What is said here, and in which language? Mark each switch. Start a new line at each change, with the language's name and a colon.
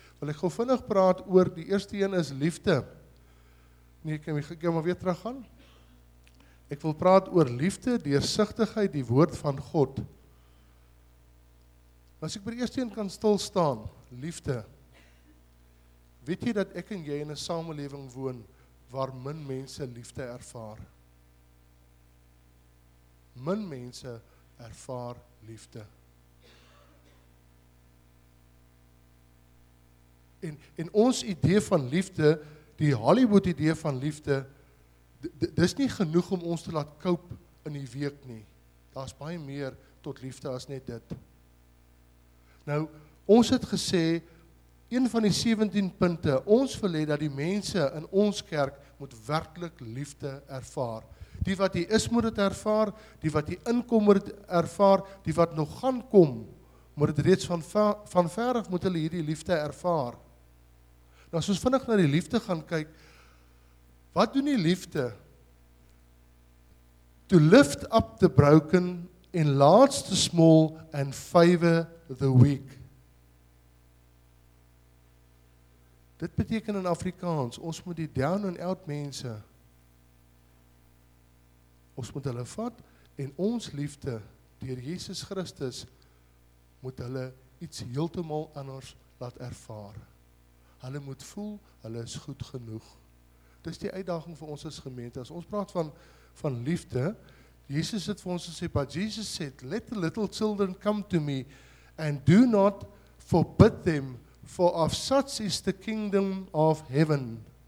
Afrikaans: Wil ek gou vinnig praat oor die eerste een is liefde. Nee, kan ek maar weer terug gaan? Ek wil praat oor liefde, deursigtigheid, die woord van God. As ek by die eerste een kan stil staan, liefde. Weet jy dat ek en jy in 'n samelewing woon waar min mense liefde ervaar? min mense ervaar liefde. En ons idee van liefde, die Hollywood idee van liefde, dis nie genoeg om ons te laat koop in die week nie. Daar is baie meer tot liefde as net dit. Nou, ons het gesê, een van die 17 punte, ons wil hê dat die mense in ons kerk moet werklik liefde ervaar. Die wat hier is moet het ervaar, die wat hier inkom moet het ervaar, die wat nog gaan kom, moet het reeds van ver af moet hulle hierdie liefde ervaar. Nou, as ons vinnig na die liefde gaan kyk, wat doen die liefde?
English: To lift up the broken and lads the small and favor the weak.
Afrikaans: Dit beteken in Afrikaans, ons moet die
English: down and out
Afrikaans: mense, ons moet hulle vat en ons liefde deur Jesus Christus moet hulle iets heeltemal anders laat ervaar. Hulle moet voel, hulle is goed genoeg. Dis die uitdaging vir ons as gemeente. As ons praat van liefde, Jesus het vir ons gesê,
English: but Jesus said, let the little children come to me and do not forbid them, for of such is the kingdom of heaven.